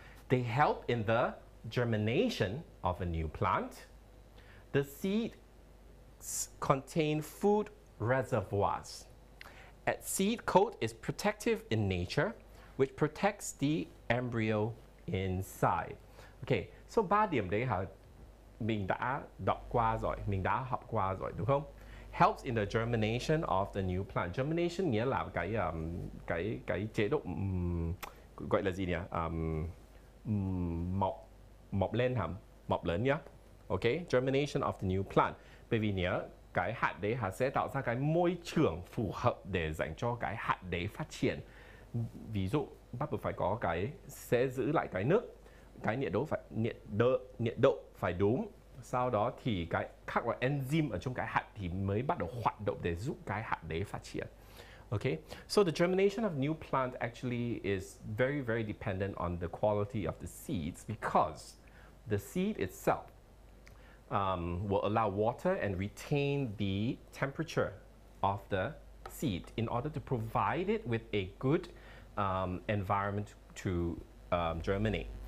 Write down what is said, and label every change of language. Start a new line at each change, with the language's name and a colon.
English: They help in the germination of a new plant. The seeds contain food reservoirs. A seed coat is protective in nature, which protects the embryo inside.
Vietnamese: Okay, so ba điểm đấy hả? Mình đã đọc qua rồi, mình đã học qua rồi, đúng không?
English: Helps in the germination of the new plant.
Vietnamese: Germination nghĩa là cái chế độ gọi là gì nhỉ? Mọc lên hả? Mọc lớn nhá.
English: Okay, germination of the new plant.
Vietnamese: Bởi vì nhớ, cái hạt đấy sẽ tạo ra cái môi trường phù hợp để dành cho cái hạt đấy phát triển. Ví dụ, bắt buộc phải có cái sẽ giữ lại cái nước, cái nhiệt độ phải đúng. Sau đó thì cái các loại enzyme ở trong cái hạt thì mới bắt đầu hoạt động để giúp cái hạt đấy phát triển.
English: Okay, so the germination of new plant actually is very very dependent on the quality of the seeds, because the seed itself will allow water and retain the temperature of the seed in order to provide it with a good environment to germinate.